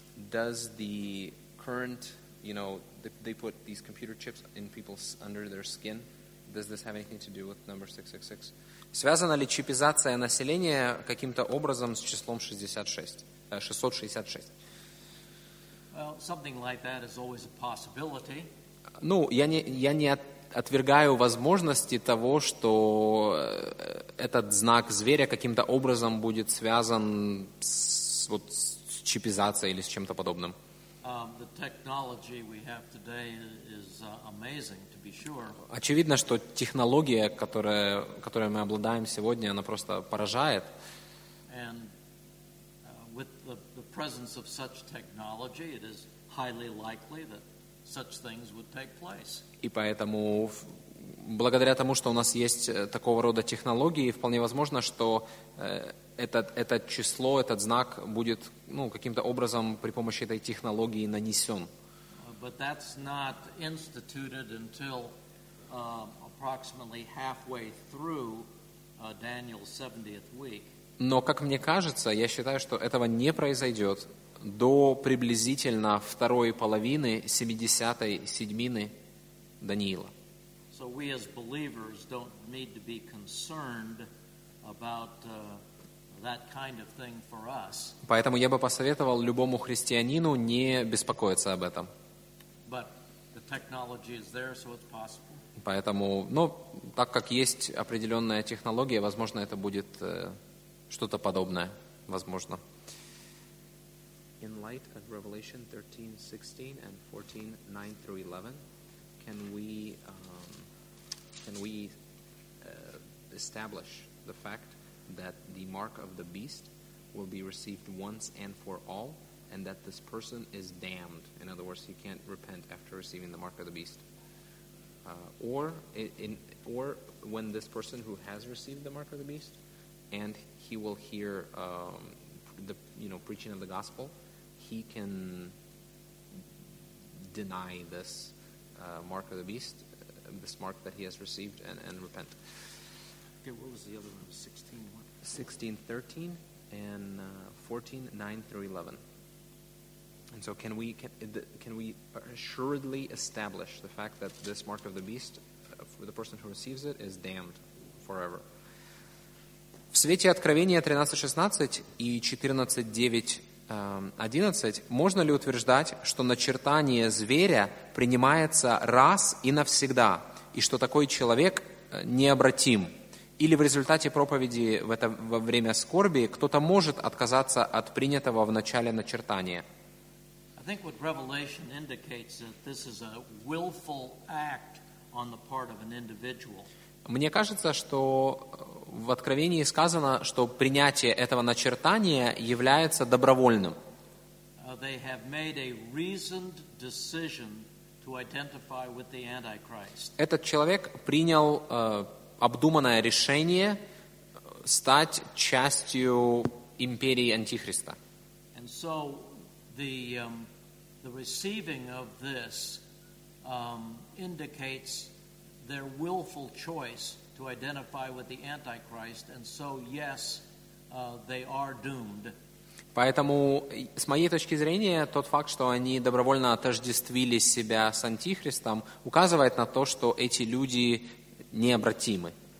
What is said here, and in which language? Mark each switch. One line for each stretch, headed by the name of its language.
English: Does the current, you know, they put these computer chips in people's under their skin? Does this have anything to do with number 666?
Russian: Связана ли чипизация населения каким-то образом с числом 666?
English: Well, something like that is always a possibility.
Russian: Ну, я не отвергаю возможности того, что этот знак зверя каким-то образом будет связан с чипизацией или с чем-то подобным.
English: The technology we have today is amazing, to be sure.
Russian: Очевидно, что технология, которой мы обладаем сегодня, она просто поражает.
English: And with the presence of such technology, it is highly likely that such things would take place.
Russian: И поэтому, благодаря тому, что у нас есть такого рода технологии, вполне возможно, что этот число, этот знак будет, ну, каким-то образом при помощи этой технологии нанесен.
English: But that's not instituted until approximately halfway through Daniel's 70th week.
Russian: Но, как мне кажется, я считаю, что этого не произойдет до приблизительно второй половины 70-й седьмины Даниила.
English: So we as believers don't need to be concerned about that kind of thing for us.
Russian: Поэтому я бы посоветовал любому христианину не беспокоиться об этом.
English: But the technology is there, so it's possible.
Russian: Поэтому, ну, так как есть определенная технология, возможно, это будет что-то подобное, возможно.
English: In light of Revelation 13, 16 and 14, 9 through 11, can we establish the fact that the mark of the beast will be received once and for all, and that this person is damned? In other words, he can't repent after receiving the mark of the beast. Or when this person who has received the mark of the beast, and he will hear the, you know, preaching of the gospel, he can deny this mark of the beast, this mark that he has received, and repent. Okay, what was the other one? 16, what? 16, 13, and 14, 9 through 11. And so can we assuredly establish the fact that this mark of the beast, for the person who receives it, is damned forever?
Russian: В свете Откровения 13.16 и 14.9.11 можно ли утверждать, что начертание зверя принимается раз и навсегда, и что такой человек необратим? Или в результате проповеди во время скорби кто-то может отказаться от принятого в начале начертания?
English: I think what Revelation indicates that this is a willful act on the part of an individual.
Russian: Мне кажется, что в Откровении сказано, что принятие этого начертания является добровольным.
English: They have made a reasoned decision to identify with the Antichrist.
Russian: Этот человек принял обдуманное решение стать частью империи Антихриста.
English: And so the receiving of this indicates their willful choice to identify with the Antichrist, and so yes, they are doomed.
Russian: Поэтому, с моей точки зрения, тот факт, что они добровольно отождествили себя с Антихристом, указывает на то, что эти люди необратимы.